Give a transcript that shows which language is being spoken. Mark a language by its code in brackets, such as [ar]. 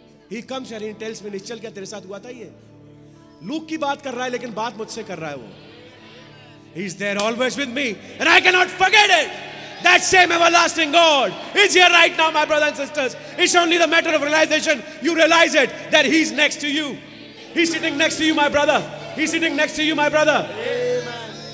[en] He comes here and tells me, Nischal, [hi] क्या तेरे साथ हुआ था ये? Luke की बात कर रहा है, लेकिन बात मुझसे कर रहा है वो. [en] He is there always with me, and I cannot forget it. That same everlasting God is here right now, my brothers and sisters. It's only the matter of realization. You realize it that He is next to you. He's sitting next to you, my brother. He's sitting next to you, my brother. Amen.